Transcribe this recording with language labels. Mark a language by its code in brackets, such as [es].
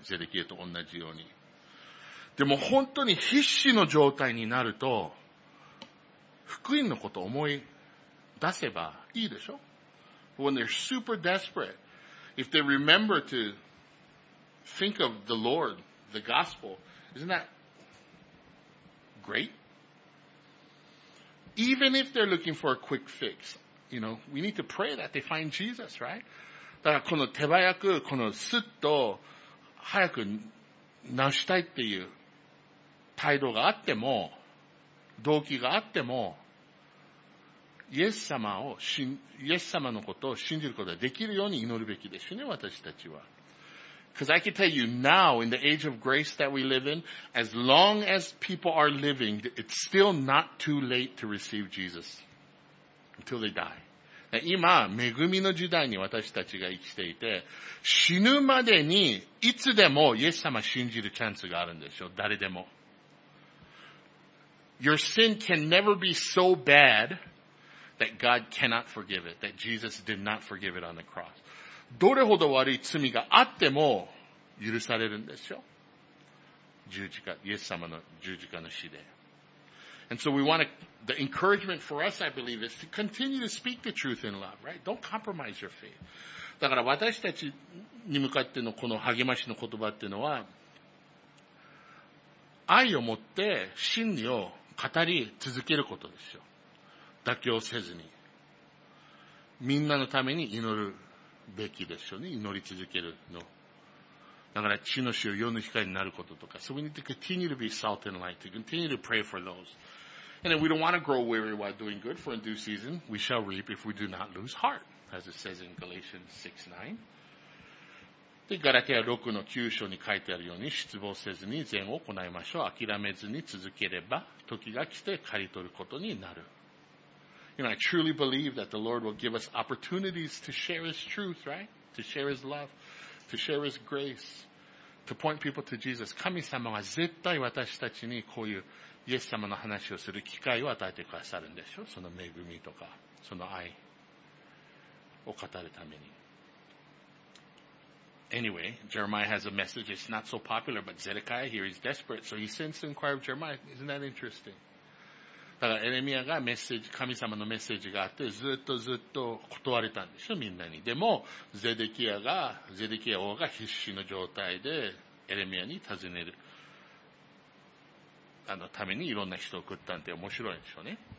[ja] ゼデキエと同じように。でも本当に必死の状態になると、福音のことを思い出せばいいでしょ? [en] When they're super desperate, if they remember to think of the Lord, the gospel, isn't that great? Even if they're looking for a quick fix, you know, we need to pray that they find Jesus, right? [ja] だからこの手早く、このすっと早く直したいっていう、態度があっても、動機があっても、イエス様のことを信じることができるように祈るべきですね、私たちは。 [en] Because I can tell you now, in the age of grace that we live in, as long as people are living, it's still not too late to receive Jesus. Until they die. [ja] 今、恵みの時代に私たちが生きていて、死ぬまでに、いつでもイエス様信じるチャンスがあるんでしょう、誰でも。 [en] Your sin can never be so bad that God cannot forgive it, that Jesus did not forgive it on the cross. [ja] どれほど悪い罪があっても許されるんですよ。十字架、イエス様の十字架の死で。 [en] And so we want to, the encouragement for us, I believe, is to continue to speak the truth in love, right? Don't compromise your faith. [ja] だから私たちに向かってのこの励ましの言葉っていうのは、愛を持って真理を語り続けることですよ。妥協せずに。みんなのために祈るべきですよね。祈り続けるの。だから、地の主よ、世の光になることとか。 [en] So we need to continue to be salt and light, to continue to pray for those. And then we don't want to grow weary while doing good for in due season. We shall reap if we do not lose heart, as it says in Galatians 6:9. [ja] で、ガラテア6の9章に書いてあるように、失望せずに善を行いましょう。諦めずに続ければ、時が来て刈り取ることになる。 [en] You know, I truly believe that the Lord will give us opportunities to share His truth, right? To share His love, to share His grace, to point people to Jesus. [ja] 神様は絶対私たちにこういうイエス様の話をする機会を与えてくださるんでしょう。その恵みとか、その愛を語るために。 [en] Anyway, Jeremiah has a message. It's not so popular, but Zedekiah here is desperate. So he sends to inquire of Jeremiah. Isn't that interesting? [ja] だからエレミアがメッセージ、神様のメッセージがあって、ずっとずっと断れたんでしょ、みんなに。でも、ゼデキア王が必死の状態でエレミアに尋ねる。ためにいろんな人を送ったんで面白いんでしょうね。